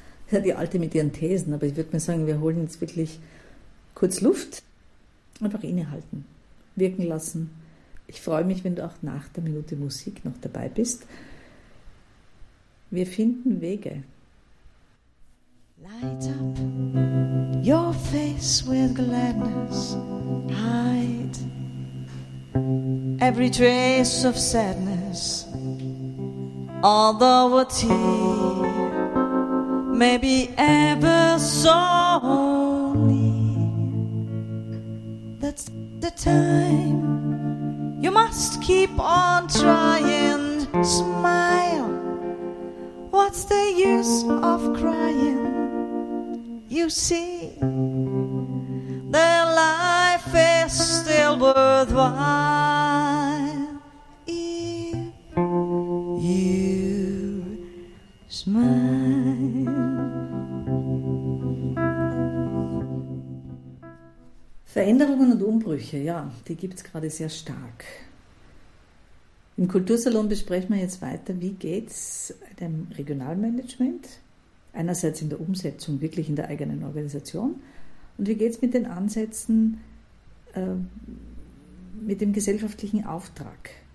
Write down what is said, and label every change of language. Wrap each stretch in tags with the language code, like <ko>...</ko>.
<de>Ja, die Alte mit ihren Thesen, aber ich würde mir sagen, wir holen jetzt wirklich kurz Luft, einfach innehalten, wirken lassen. Ich freue mich, wenn du auch nach der Minute Musik noch dabei bist. Wir finden Wege.</de> <en>Light up your face with gladness. Hide every trace of sadness. Although a tear may be ever so near. That's the time you must keep on trying. Smile. What's the use of crying? You see, the life is still worthwhile if you smile.</en> <de>Veränderungen und Umbrüche, ja, die gibt es gerade sehr stark. Im Kultursalon besprechen wir jetzt weiter, wie geht es dem Regionalmanagement, einerseits in der Umsetzung, wirklich in der eigenen Organisation, und wie geht es mit den Ansätzen, mit dem gesellschaftlichen Auftrag.</de>